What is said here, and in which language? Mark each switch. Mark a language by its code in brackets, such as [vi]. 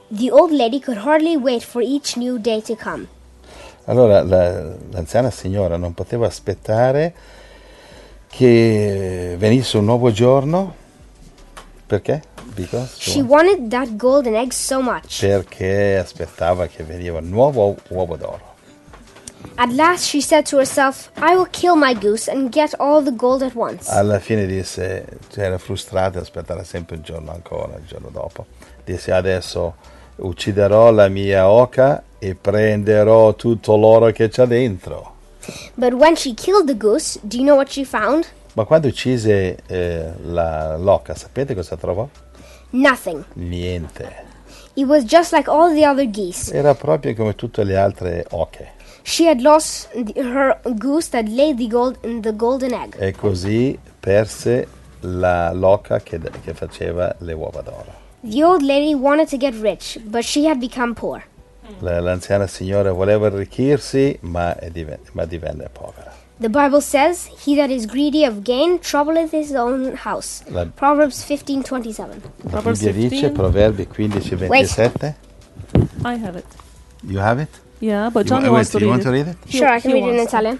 [en] The old lady could hardly wait for each new day to come. [it] Allora l'anziana signora non poteva aspettare che venisse un nuovo giorno. Perché? [en] Because she wanted that golden egg so much. [it] Perché aspettava che veniva un nuovo uovo d'oro. [en] At last she said to herself, I will kill my goose and get all the gold at once. [it] Alla fine disse, cioè era frustrata, aspettava sempre un giorno ancora, il giorno dopo. Disse, adesso ucciderò la mia oca e prenderò tutto l'oro che c'è dentro. [en] But when she killed the goose, do you know what she found? [it] Ma quando uccise l'oca, sapete cosa trovò? [en] Nothing. [it] Niente. [en] It was just like all the other geese. [it] Era proprio come tutte le altre oche. [en] She had lost her goose that laid the golden egg. [it] E così perse l'oca che faceva le uova d'oro. [en] The old lady wanted to get rich, but she had become poor. [it] L'anziana signora voleva arricchirsi, ma divenne povera. [en] The Bible says, he that is greedy of gain troubleth his own house. Proverbs 15:27. [it] Proverbi 15:27. [en] I have it. You have it? Yeah, but John wants to read it. You want to read it? Sure, I can read it in Italian.